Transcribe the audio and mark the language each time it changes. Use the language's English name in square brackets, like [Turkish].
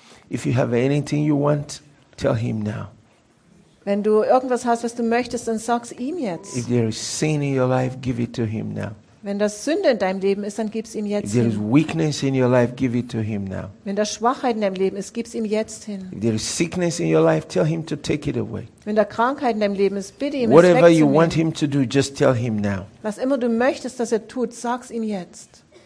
[English] If you have anything you want, tell him now. [German] Wenn du irgendwas hast, was du möchtest, dann sag's ihm jetzt. [English] If there is sin in your life, give it to him now. [German] Wenn das Sünde in deinem Leben ist, dann gib's ihm jetzt hin. [English] If there is weakness in your life, give it to him now. [German] Wenn da Schwachheit in deinem Leben ist, gib's ihm jetzt hin. [English] If there is sickness in your life, tell him to take it away. [German] Wenn da Krankheit in deinem Leben ist, bitte ihm es wegzunehmen. [English] Whatever you want him to do, just tell him now. [German] Was immer du möchtest, dass er tut, sag's ihm jetzt.